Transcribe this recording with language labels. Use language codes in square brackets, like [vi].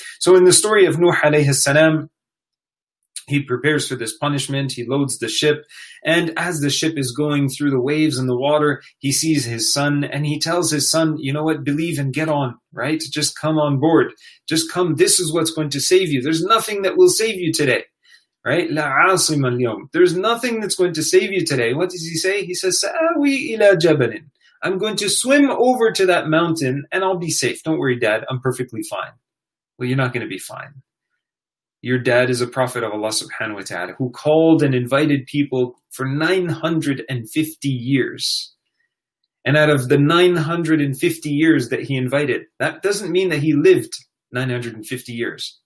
[en] So in the story of Nuh alayhi salam, he prepares for this punishment, he loads the ship, and as the ship is going through the waves and the water, he sees his son, and he tells his son, you know what, believe and get on, right? Just come on board. Just come, this is what's going to save you. There's nothing that will save you today, right? [ar] لا عاصم اليوم. [en] There's nothing that's going to save you today. What does he say? He says, [ar] سأوي إلى جبل. [en] I'm going to swim over to that mountain, and I'll be safe. Don't worry, Dad, I'm perfectly fine. Well, you're not going to be fine. Your dad is a prophet of Allah subhanahu wa ta'ala who called and invited people for 950 years. And out of the 950 years that he invited, that doesn't mean that he lived 950 years.